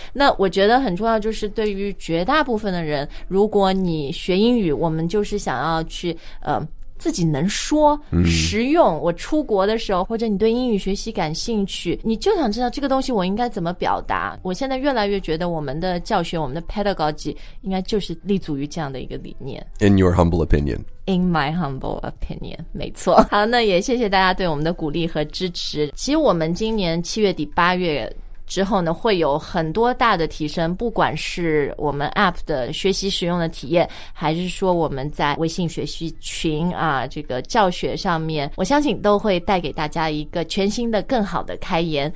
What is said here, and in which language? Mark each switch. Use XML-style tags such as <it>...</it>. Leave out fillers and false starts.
<zh>那我觉得很重要就是对于绝大部分的人，如果你学英语，我们就是想要去自己能说、mm-hmm. 实用，我出国的时候或者你对英语学习感兴趣，你就想知道这个东西我应该怎么表达。我现在越来越觉得我们的教学，我们的 pedagogy 应该就是立足于这样的一个理念。</zh> <en>In your humble opinion. In my humble opinion,</en> <zh>没错。好，那也谢谢大家对我们的鼓励和支持。其实我们今年七月底八月之后呢，会有很多大的提升，不管是我们 APP 的学习使用的体验，还是说我们在微信学习群啊，这个教学上面，我相信都会带给大家一个全新的更好的开言。</zh>